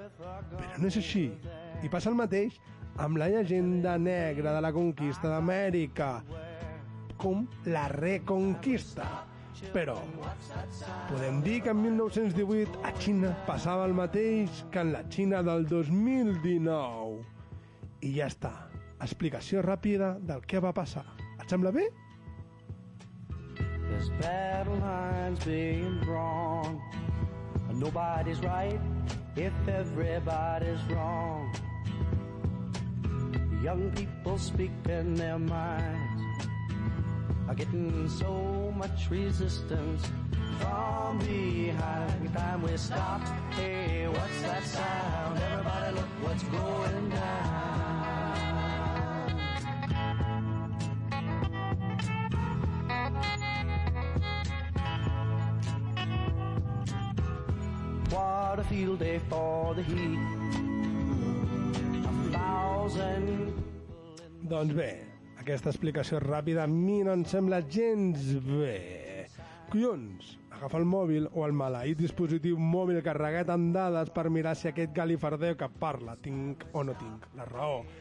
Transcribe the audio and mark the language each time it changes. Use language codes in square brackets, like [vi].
[ca] Però no és així. I passa el mateix amb la llegenda negra de la conquista d'Amèrica, com la Reconquista. Però podem dir que en 1918 a Xina passava el mateix que en la Xina del 2019. I ja està. Explicació ràpida del que va passar. Et sembla bé? [en] There's battle lines being drawn. Nobody's right if everybody's wrong. Young people speak in their minds. Are getting so much resistance from behind. Time we stop. Hey, what's that sound? Everybody look what's going down. What a field day for the heat. A thousand. [ca] Doncs bé, aquesta explicació ràpida a mi no em sembla gens bé. Collons, agafa el mòbil o el maleït dispositiu mòbil carregat amb dades per mirar si aquest galifardeu que parla tinc o no tinc la raó.